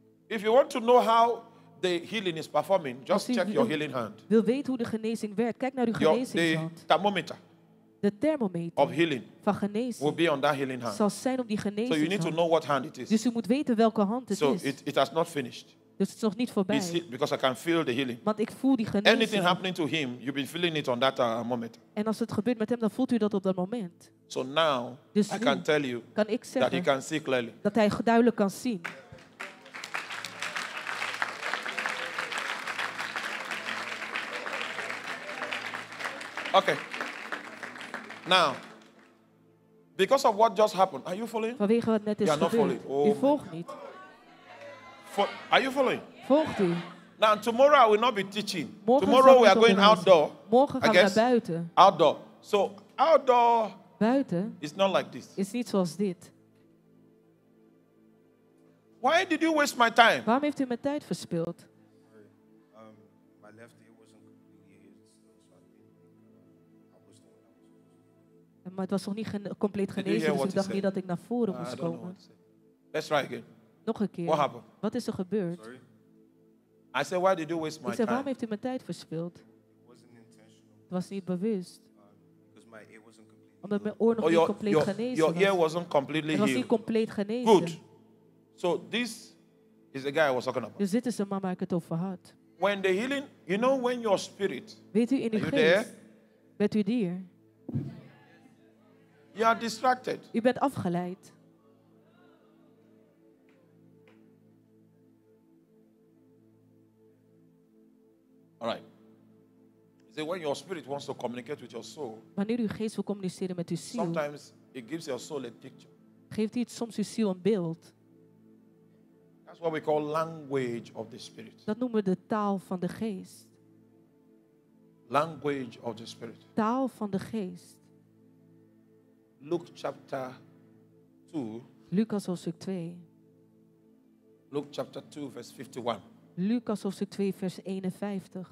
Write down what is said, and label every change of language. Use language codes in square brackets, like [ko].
[en] If you want to know how the healing is performing, just check your healing hand. [nl] Wil weten hoe de genezing werkt? Kijk naar uw genezingshand. [en] The thermometer. [nl] De thermometer. [en] Of healing. [nl] Van genezing. [en] Will be on that healing hand. [nl] Zal zijn op die genezing. [en] So you need to know what hand it is. [nl] Dus u moet weten welke hand het is. [en] So it has not finished. [nl] Dus het is nog niet voorbij. [en] Because I can feel the healing. [nl] Want ik voel die genezing. [en] Anything happening to him, you've been feeling it on that moment. [nl] En als het gebeurt met hem, dan voelt u dat op dat moment. [en] So now, [nl] dus nu [en] I can tell you [nl] kan ik zeggen [en] that he can see clearly. [nl] Dat hij duidelijk kan zien. [en] Okay. Now, because of what just happened, are you following? [nl] Vanwege wat net is gebeurd. [en] Not following. Oh, [nl] u volgt niet. [en] Are you following? [nl] Volgt u? [en] Now tomorrow I will not be teaching. [nl] Morgen [en] tomorrow we are going outdoor. [nl] Morgen gaan we naar buiten. [en] Outdoor. So outdoor. [nl] Buiten. [en] It's not like this. [nl] Is niet zoals dit. [en] Why did you waste my time? [nl] Waarom heeft u mijn tijd verspild? [en] My left ear wasn't [nl] healed. Maar het was nog niet compleet genezen. Dus ik dacht niet dat ik naar voren moest komen. [en] Let's try again. [nl] Nog een keer. [en] What happened? [nl] Wat is er gebeurd? [en] Sorry. I said, why did you waste my [nl] ik zei, waarom [en] time? [nl] Heeft u mijn tijd verspild? [en] It wasn't intentional. [nl] Het was niet bewust. [en] My ear wasn't completely [nl] omdat mijn oor nog niet compleet genezen [en] your [nl] was. [en] Ear wasn't completely [nl] het was niet compleet genezen. [en] Good. So this is the guy I was talking about. [nl] Dus dit is de man waar ik het over had. [en] When the healing, you know, when your spirit, [nl] weet u in uw geest, [en] there? [nl] Bent u hier? [en] You are distracted. [nl] U bent afgeleid. [en] Alright. You see, when your spirit wants to communicate with your soul, [nl] wanneer uw geest wil communiceren met uw ziel, [en] sometimes it gives your soul a picture. [nl] Geeft hij soms uw ziel een beeld? [en] That's what we call language of the spirit. [nl] Dat noemen we de taal van de geest. [en] Language of the spirit. [nl] Taal van de geest. [en] Luke chapter 2. [nl] Lucas hoofdstuk 2. [en] Luke chapter 2 verse 51. [nl] Lucas hoofdstuk 2 vers 51.